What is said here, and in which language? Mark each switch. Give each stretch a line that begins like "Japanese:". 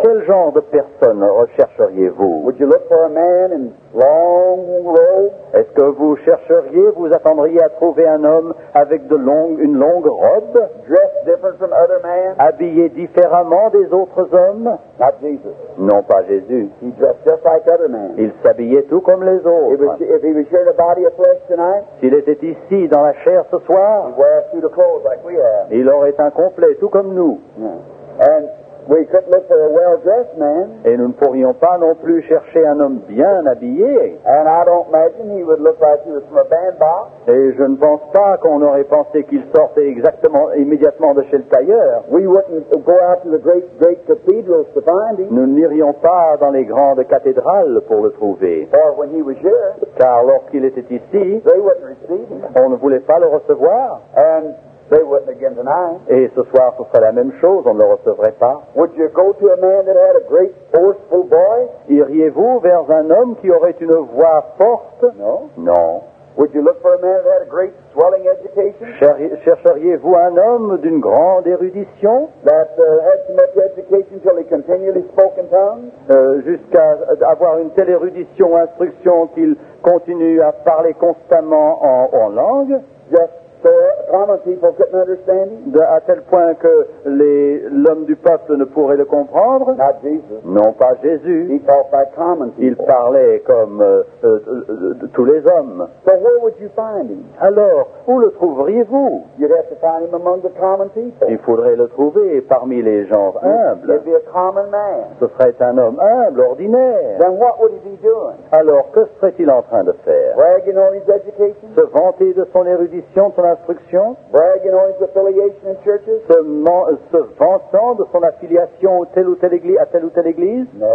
French: Quel genre de personne rechercheriez-vous?
English: Would you look for a man in long robes?
French: Est-ce que vous attendriez à trouver un homme avec une longue robe?
English: Dressed different from other men?
French: Habillé différemment des autres hommes?
English: Not Jesus.
French: Non, pas Jésus.
English: He dressed just like other men.
French: Il s'habillait tout comme les autres.
English: If he was here in the body of flesh tonight,
French: s'il était ici dans la chair ce soir,
English: he'd wear a suit of clothes like we have.
French: Il aurait un complet, tout comme nous.
English: Yeah. And we couldn't look for a well-dressed man.
French: Et nous ne pourrions pas non plus chercher un homme bien habillé.
English: And I don't imagine he would look like he was from a bandbox.
French: Et je ne pense pas qu'on aurait pensé qu'il sortait exactement immédiatement de chez le tailleur.
English: We wouldn't go out to the great cathedrals to find him.
French: Nous n'irions pas dans les grandes cathédrales pour le trouver.
English: Or when he was here.
French: Car lorsqu'il était ici,
English: they wouldn't receive him.
French: On ne voulait pas le recevoir.
English: And they wouldn't again tonight.
French: Et ce soir, ce serait la même chose, on ne le recevrait pas.
English: Would you go to a man that had a great forceful voice?
French: Iriez-vous vers un homme qui aurait une voix forte? Non.
English: Would you look for a man that had a great swelling education?
French: Chercheriez-vous un homme d'une grande érudition?
English: That had so much education till he continually spoke in tongues?
French: Jusqu'à avoir une telle érudition, instruction qu'il continue à parler constamment en langue?
English: Just so, common people couldn't understand him?
French: À tel point que l'homme du peuple ne pourrait le comprendre?
English: Not Jesus.
French: Non, pas Jésus.
English: He talked like common people.
French: Il parlait comme tous les hommes.
English: So where would you find him?
French: Alors, où le trouveriez-vous?
English: You'd have to find him among the common people.
French: Il faudrait le trouver parmi les gens humbles.
English: He'd be a common man.
French: Ce serait un homme humble, ordinaire.
English: Then what would he be doing?
French: Alors, que serait-il en train de faire?
English: Bragging on his education?
French: Se vanter de son érudition, de son instruction?
English: Bragging on his affiliation in churches?
French: Se vantant de son affiliation à telle ou telle église?